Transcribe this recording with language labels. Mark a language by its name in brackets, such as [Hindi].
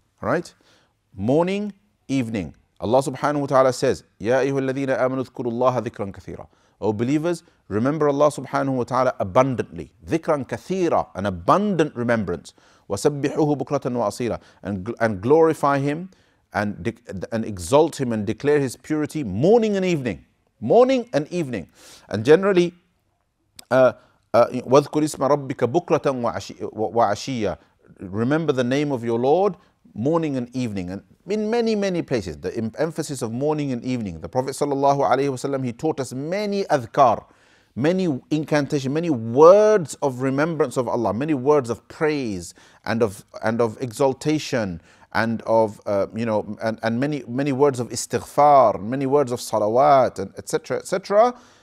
[English] Right? Morning, evening. Allah subhanahu wa ta'ala says, [Arabic] Ya ayyuha alladhina amanu dhkurullaha dhikran kathira. [English] O believers, remember Allah subhanahu wa ta'ala abundantly. Dhikran kathira, an abundant remembrance. [Arabic] وَسَبِّحُهُ بُكْرَةً وَأَصِيلًا [English] and glorify Him and exalt Him and declare His purity morning and evening. Morning and evening. And generally, [Arabic] وَذْكُرِ اسْمَ رَبِّكَ بُكْرَةً وَعَشِيًّا. [English] Remember the name of your Lord morning and evening. And in many, many places, the emphasis of morning and evening. The Prophet sallallahu alayhi wasallam, he taught us many adhkar, many incantations, many words of remembrance of Allah, many words of praise and of exaltation and many words of istighfar, many words of salawat and etc. etc.